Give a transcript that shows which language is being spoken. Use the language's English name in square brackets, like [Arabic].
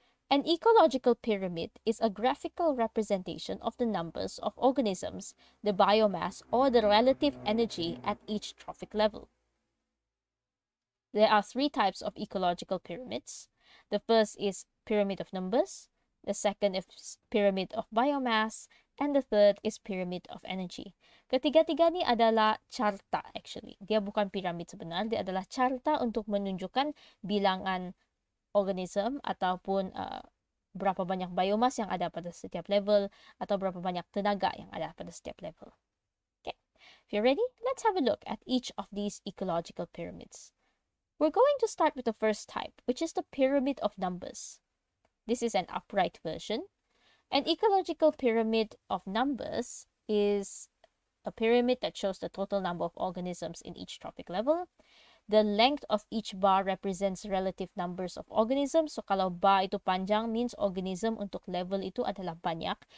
[English] An ecological pyramid is a graphical representation of the numbers of organisms, the biomass, or the relative energy at each trophic level. There are three types of ecological pyramids. The first is pyramid of numbers, the second is pyramid of biomass, and the third is pyramid of energy. [Malay] Ketiga-tiga ini adalah carta, [English] actually. [Malay] Dia bukan piramid sebenarnya, dia adalah carta untuk menunjukkan bilangan organism ataupun berapa banyak biomass yang ada pada setiap level atau berapa banyak tenaga yang ada pada setiap level. [English] Okay, if you're ready, let's have a look at each of these ecological pyramids. We're going to start with the first type, which is the pyramid of numbers. This is an upright version. An ecological pyramid of numbers is a pyramid that shows the total number of organisms in each trophic level. The length of each bar represents relative numbers of organisms. [Malay] So kalau bar itu panjang, means organism untuk level itu adalah banyak.